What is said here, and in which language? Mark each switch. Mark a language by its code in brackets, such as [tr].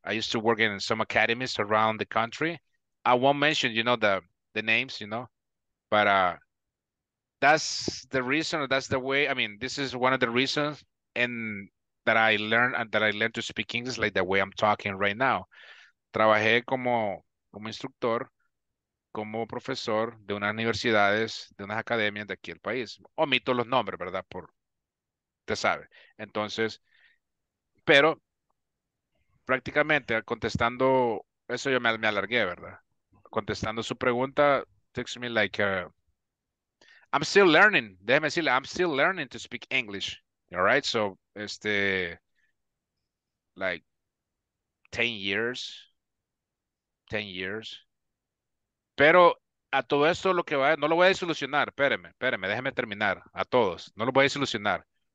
[en] I used to work in some academies around the country. I won't mention, you know, the names, you know, but that's the reason, that's the way, I mean, this is one of the reasons and that I learned and that I learned to speak English like the way I'm talking right now. [es] Trabajé como instructor, como profesor de unas universidades, de unas academias de aquí del país. Omito los nombres, ¿verdad? Por usted sabe. Entonces, pero prácticamente contestando, eso yo me alargué, ¿verdad? Contestando su pregunta, [en] takes me like, I'm still learning, [es] déjeme decirle, [en] I'm still learning to speak English, all right? [es] So, este, [en] like, 10 years, [es] pero a todo esto lo que va, no lo voy a desilusionar, espéreme, déjeme terminar, a todos, no lo voy a desilusionar.